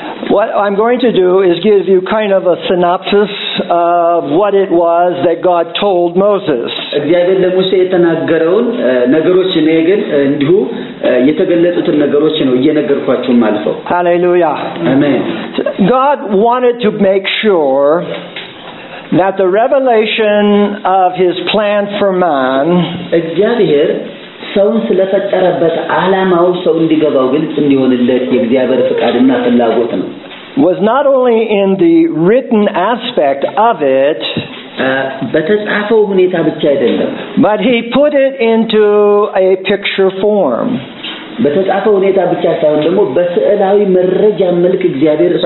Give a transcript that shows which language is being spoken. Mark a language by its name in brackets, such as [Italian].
[English] What I'm going to do is give you kind of a synopsis of what it was that God told Moses. [Amharic] እግዚአብሔር ለሙሴ የተናገረውን ነገሮች ነው ግን እንዲሁ የተገለጡት ነገሮች ነው እየነገርኳችሁ ማልፈው። [English] Hallelujah. Amen. God wanted to make sure that the revelation of his plan for man [Amharic] እግዚአብሔር ሰውን ስለፈጠረበት ዓላማው ሰው እንዲገባው ግልጽ እንዲሆንለት የእግዚአብሔር ፍቃድና ፍላጎት ነው [English] was not only in the written aspect of it [Amharic] በተጻፈው ሁኔታ ብቻ አይደለም [English] but he put it into a picture form [Amharic] በተጻፈው ሁኔታ ብቻ ሳይሆን ደግሞ በስዕላዊ መረጃ መልክ እግዚአብሔር